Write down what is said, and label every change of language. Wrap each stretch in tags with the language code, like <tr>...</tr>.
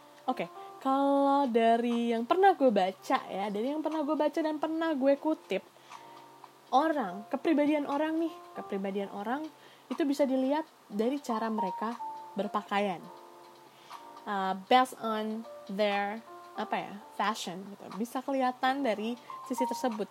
<id>Oke, kalau dari yang pernah gue baca ya, dari yang pernah gue baca dan pernah gue kutip, kepribadian orang itu bisa dilihat dari cara mereka berpakaian.</id> <en>Based on their fashion gitu.</en> <id>Bisa kelihatan dari sisi tersebut.</id>